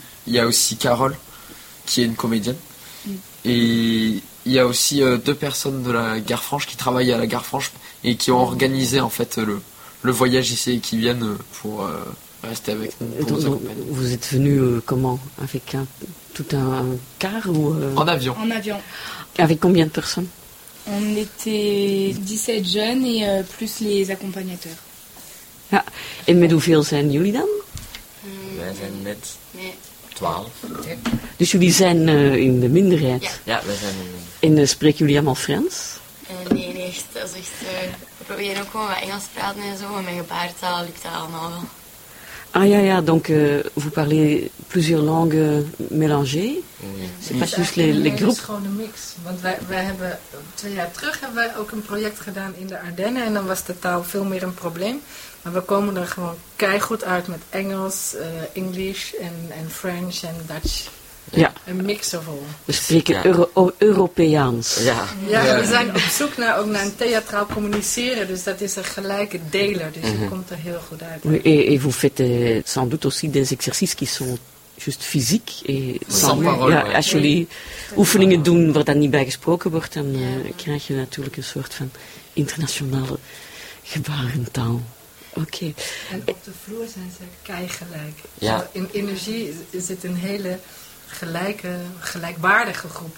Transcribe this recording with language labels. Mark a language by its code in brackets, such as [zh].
[fr] Il y a aussi Carole qui est une comédienne. Et il y a aussi deux personnes de la Gare Franche qui travaillent à la Gare Franche et qui ont organisé en fait le voyage ici et qui viennent pour rester avec nous, pour nous accompagner. Vous êtes venu comment? Avec tout un car ou En avion. En avion. Avec combien de personnes? On était 17 jeunes et plus les accompagnateurs. [nl] Ja. Et met hoeveel zijn jullie dan? Wij zijn net 12. Dus jullie zijn in de minderheid? Ja, wij zijn in de minderheid. En spreken jullie allemaal Frans? Nee, echt. Dat is echt, we proberen ook gewoon wat Engels te praten en zo, maar mijn gebarentaal lukt dat allemaal wel. [fr] Ah, ja, donc vous parlez plusieurs langues mélangées. Oui. C'est pas juste les groupes. [nl] Het is gewoon een mix. Want wij hebben 2 jaar terug hebben wij ook een project gedaan in de Ardennen. En dan was de taal veel meer een probleem. Maar we komen er gewoon keigoed uit met Engels, English en French en Dutch. Ja. Een mix [en] of all. [nl] We spreken Europeaans. Ja, we zijn op zoek naar, ook naar een theatraal communiceren. Dus dat is een gelijke deler. Dus je komt er heel goed uit. [fr] Oui, et vous faites sans doute aussi des exercices qui sont juste [nl] fysiek en [fr] sans parole, [nl] als jullie oefeningen doen waar dan niet bij gesproken wordt, dan krijg je natuurlijk een soort van internationale gebarentaal. Oké. En op de vloer zijn ze keigelijk. Ja. Zo, in energie zit een hele gelijkwaardige groep.